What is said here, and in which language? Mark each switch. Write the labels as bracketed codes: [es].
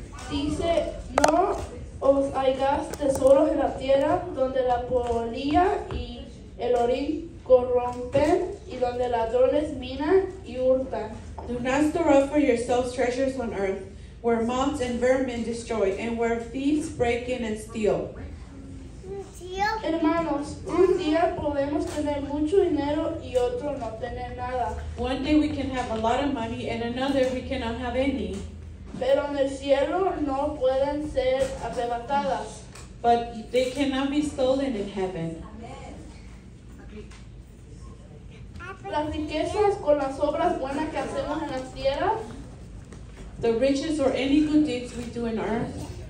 [es] Dice, no os hagáis tesoros en la tierra donde la polilla y el orín corrompen y donde ladrones minan y hurtan. [en] Do not store up for yourselves treasures on earth where moths and vermin destroy and where thieves break in and steal. [es] Hermanos, un día podemos tener mucho dinero y otro no tener nada. [en] One day we can have a lot of money and another we cannot have any. [es] Pero en el cielo no pueden ser arrebatadas. [en] But they cannot be stolen in heaven. [es] Las riquezas con las obras buenas que hacemos en la tierra. [en] The riches or any good deeds we do in earth.